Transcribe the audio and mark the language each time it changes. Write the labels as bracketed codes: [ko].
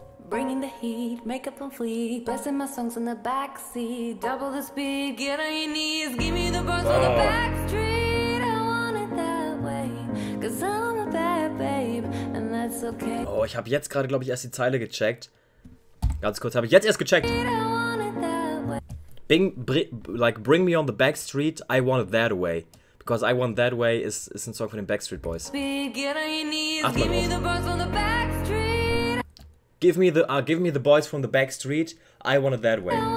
[en] Bringing the heat, makeup on fleek, blessing my songs in the backseat, double the speed, get on your knees, give me the bars on the back street. I want it that way, cause I'm a bad babe, and that's okay. [de] Oh, ich habe jetzt gerade, glaube ich, erst die Zeile gecheckt. Ganz kurz, habe ich jetzt erst gecheckt. [en] Bring me on the back street, I want it that way. [de] Because I Want That Way ist ein Song von den Backstreet Boys. [en] Give me the boys from the back street, I Want It That Way.